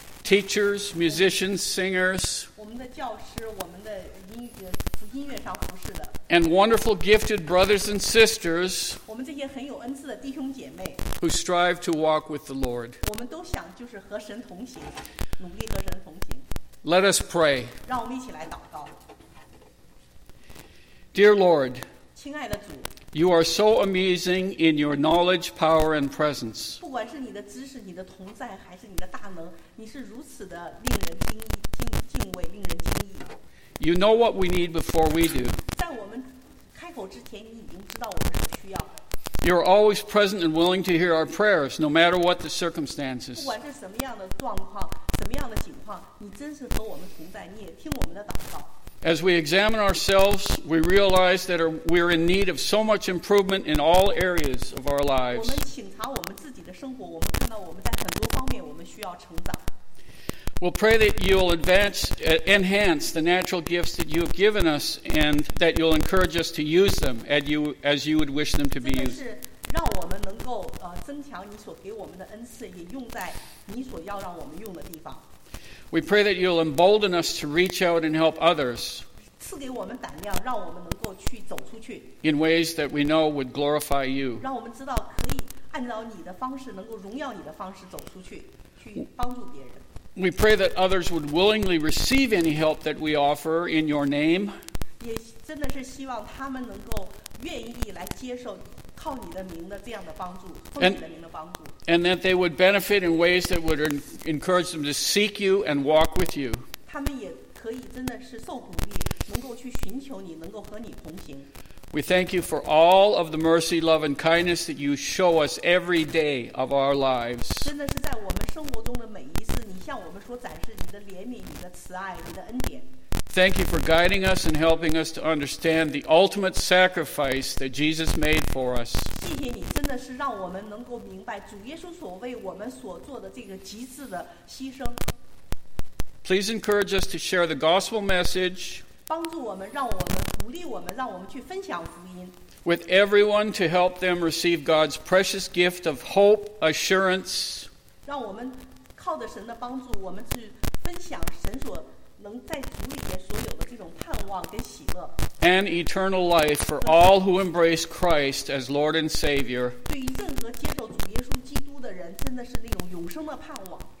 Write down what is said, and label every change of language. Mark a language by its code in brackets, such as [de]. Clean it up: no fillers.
[en] teachers, musicians, singers, [zh] 我们的教师、我们的音乐、音乐上服侍的、 [en] and wonderful gifted brothers and sisters, [zh] 我们这些很有恩赐的弟兄姐妹、 [en] who strive to walk with the Lord, [zh] 我们都想就是和神同行、努力和神同行。 [en] Let us pray. [zh] 让我们一起来祷告。 [en] Dear Lord, [zh] 亲爱的主。 [en] You are so amazing in your knowledge, power, and presence. [zh] 不管是你的知识、你的同在，还是你的大能，你是如此的令人敬畏、令人惊异。 [en] You know what we need before we do. [zh] 在我们开口之前，你已经知道我们的需要。 [en] You are always present and willing to hear our prayers, no matter what the circumstances. [zh] 不管是什么样的状况、什么样的情况，你真是和我们同在，你也听我们的祷告。 [en] As we examine ourselves, we realize that we are in need of so much improvement in all areas of our lives. [zh] 我们品尝我们自己的生活，我们看到我们在很多方面我们需要成长。 [en] We'll pray that you'll enhance the natural gifts that you have given us, and that you'll encourage us to use them as you would wish them to be used. [zh] 让我们能够增强你所给我们的恩赐，也用在你所要让我们用的地方。 [en] We pray that you'll embolden us to reach out and help others [zh] 赐给我们胆量，让我们能够去走出去。 [en] In ways that we know would glorify you. [zh] 让我们知道可以按照你的方式，能够荣耀你的方式走出去，去帮助别人。 [en] We pray that others would willingly receive any help that we offer in your name. [zh] 也真的是希望他们能够愿意来接受靠你的名的这样的帮助，奉你的名的帮助。 [en] And that they would benefit in ways that would encourage them to seek you and walk with you. [zh] 他们也可以真的是受鼓励，能够去寻求你，能够和你同行。 [en] We thank you for all of the mercy, love, and kindness that you show us every day of our lives. [zh] 真的是在我们生活中的每一次，你向我们所展示你的怜悯、你的慈爱、你的恩典。 [en] Thank you for guiding us and helping us to understand the ultimate sacrifice that Jesus made for us. [zh] 谢谢你，真的是让我们能够明白主耶稣所为我们所做的这个极致的牺牲。 [en] Please encourage us to share the gospel message. [zh] 帮助我们，让我们鼓励我们，让我们去分享福音。 [en] With everyone to help them receive God's precious gift of hope, assurance. [zh] 让我们靠着神的帮助，我们去分享神所。能在主里面所有的这种盼望跟喜乐 [en] ，and eternal life for all who embrace Christ as Lord and Savior。 [zh] 对于任何接受主耶稣基督的人，真的是那种永生的盼望。